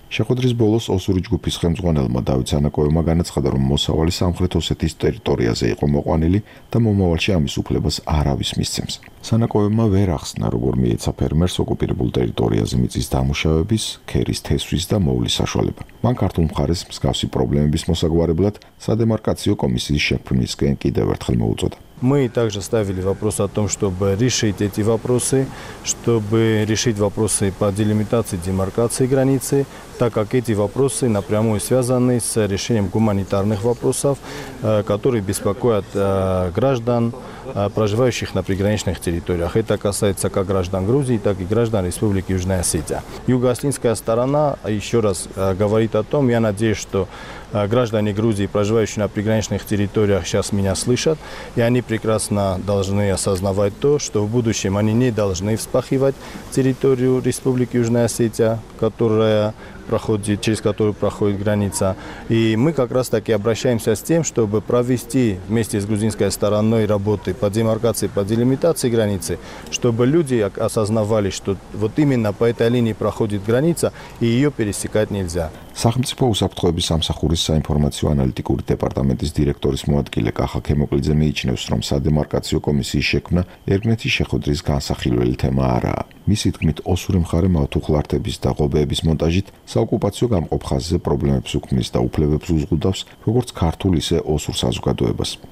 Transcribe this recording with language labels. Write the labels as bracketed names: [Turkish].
[Georgian] შეხვედრის ბოლოს ოსური ჯგუფის ხელმძღვანელმა დავით ანაკოევმა განაცხადა, რომ მოსავალი სამხრეთ ოსეთის ტერიტორიაზე იყო მოყვანილი და მომავალში ამის უფლებას არავის მისცემს. სანაკოევმა ვერ ახსნა, როგორ მიეცა ფერმერს ოკუპირებულ ტერიტორიაზე მიწის დამუშავების, ქერის თესვის და მოვლის საშუალება. მან ქართულ მხარეს მსგავსი პრობლემების მოსაგვარებლად სადემარკაციო კომისიის შექმნისკენ კიდევ ერთხელ მოუწოდა. [Russian] Мы также ставили вопрос о том, чтобы решить эти вопросы, чтобы решить вопросы по делимитации, демаркации границы, так как эти вопросы напрямую связаны с решением гуманитарных вопросов, которые беспокоят граждан, проживающих на приграничных территориях. Это касается как граждан Грузии, так и граждан Республики Южная Осетия. Юго-Осетинская сторона еще раз говорит о том, я надеюсь, что граждане Грузии, проживающие на приграничных территориях, сейчас меня слышат, и они прекрасно должны осознавать то, что в будущем они не должны вспахивать территорию Республики Южная Осетия, которая проходит, через которую проходит граница. И мы как раз таки обращаемся с тем, чтобы провести вместе с грузинской стороной работы по демаркации, по делимитации границы, чтобы люди осознавали, что вот именно по этой линии проходит граница, и ее пересекать нельзя. [Georgian] სახელმწიფო უსაფრთხოების სამსახურის საინფორმაციო ანალიტიკური დეპარტამენტის დირექტორის მოადგილე კახა ქემოკლიძე მიიჩნევს, რომ სადემარკაციო კომისიის შექმნა ერგნეთის შეხვედრის განსახილველი თემა არაა. მისი თქმით, ოსური მხარე მავთულხლართების და ღობეების მონტაჟით საოკუპაციო გამყოფ ხაზზე პრობლემებს უქმნის და უფლებებს უზღუდავს როგორც ქართულ, ისე ოსურ საზოგადოებას.